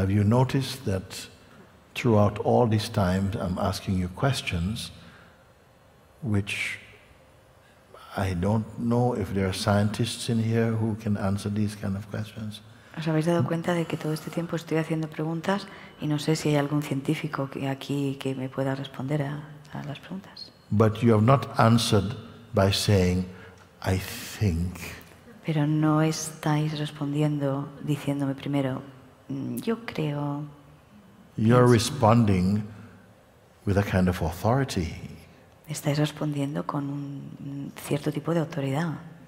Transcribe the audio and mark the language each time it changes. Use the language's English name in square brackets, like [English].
[English] Have you noticed that throughout all this time, I'm asking you questions which I don't know if there are scientists in here who can answer these kind of questions. [Spanish] ¿Os habéis dado cuenta de que todo este tiempo estoy haciendo preguntas y no sé si hay algún científico aquí que me pueda responder a las preguntas? [English] But you have not answered by saying, I think. [Spanish] Pero no estáis respondiendo diciéndome primero, yo creo. [English] You're responding with a kind of authority. [Spanish] Estáis respondiendo con un cierto tipo de autoridad.